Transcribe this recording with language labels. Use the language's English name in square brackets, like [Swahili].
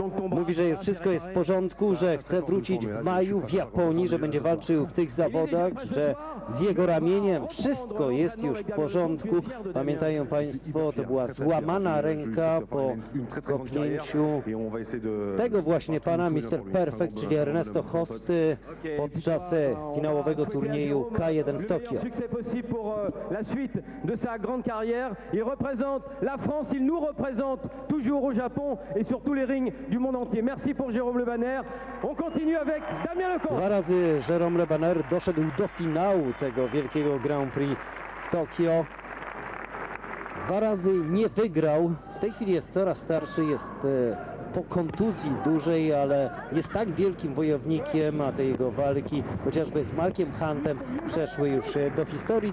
[Polish] Mówi, że wszystko jest w porządku, że chce wrócić w maju w Japonii, że będzie walczył w tych zawodach, że z jego ramieniem wszystko jest już w porządku. Pamiętają Państwo, to była złamana ręka po kopnięciu tego właśnie pana, Mr. Perfect, czyli Ernesto Hosty, podczas finałowego turnieju K1 w Tokio. [French] La suite de sa grande carrière, il représente la France, il nous représente toujours au Japon et sur tous les rings du monde entier. Merci pour Jérôme Le Banner. On continue avec Damien Lecomte. [Polish] Dwa razy Jérôme Le Banner doszedł do finału tego wielkiego Grand Prix w Tokio. Dwa razy nie wygrał. W tej chwili jest coraz starszy, jest po kontuzji dużej, ale jest tak wielkim wojownikiem, a te jego walki, chociażby z Markiem Huntem, przeszły już do historii.